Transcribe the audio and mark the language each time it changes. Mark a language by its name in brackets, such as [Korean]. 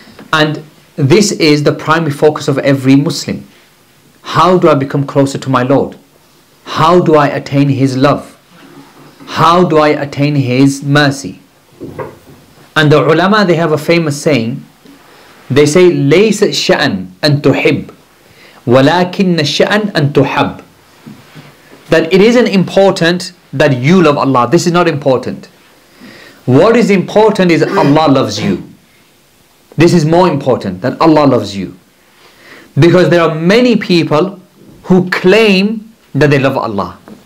[English] And this is the primary focus of every Muslim. How do I become closer to my Lord? How do I attain His love? How do I attain His mercy? And the ulama, they have a famous saying. [Arabic] They say, لَيْسَ الشَّأَنْ أَنْ تُحِبْ وَلَكِنَّ الشَّأَنْ أَنْ تُحَبْ. [English] That it isn't important that you love Allah. This is not important. What is important is Allah loves you. This is more important, that Allah loves you. Because there are many people who claim that they love Allah.